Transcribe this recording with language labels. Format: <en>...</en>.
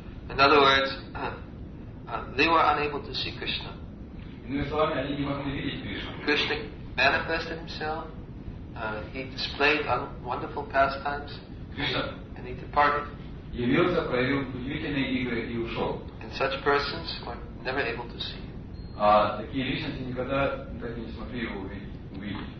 <en>In other words, they were unable to see Krishna.</en> <ru>Иными словами, они не могли видеть Кришну.</ru> <en>Krishna manifested himself. He displayed wonderful pastimes. Krishna. And he departed.</en> <ru>Явился, проявил удивительные игры и ушел.</ru> <en>And such persons were never able to see.</en> <ru>Такие личности никогда так не смогли его увидеть.</ru>